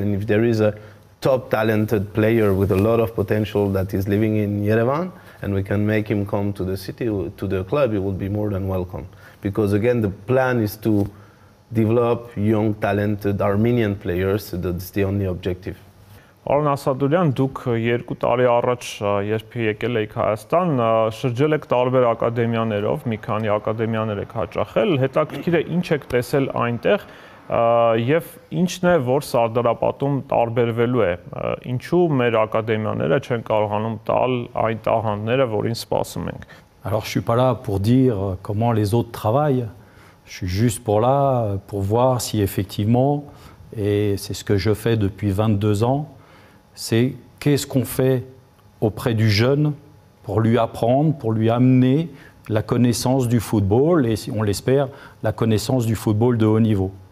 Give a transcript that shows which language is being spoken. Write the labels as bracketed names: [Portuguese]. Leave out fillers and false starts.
[English] And if there is a top talented player with a lot of potential that is living in Yerevan, and we can make him come to the city, to the club, he would be more than welcome. Because again, the plan is to develop young, talented Armenian players. So that's the only objective. [Armenian] Արոն Ասադուրյան, դուք 2 տարի առաջ, երբ եկել էիք Հայաստան, շրջել եք տարբեր ակադեմիաներով, մի քանի ակադեմիաներ եք հաճախել, հետաքրքիր է ինչ եք տեսել այնտեղ և ինչն է, որ Սարդարապատում տարբերվելու է, ինչու մեր ակադեմիաները չեն կարողանում տալ այն տաղանդները, որին սպասում ենք։ [French] Alors, je suis pas là pour dire comment les autres travaillent, je suis juste pour là pour voir si effectivement et c'est ce que je fais depuis 22 ans, c'est qu'est-ce qu'on fait auprès du jeune pour lui apprendre, pour lui amener la connaissance du football et, on l'espère, la connaissance du football de haut niveau.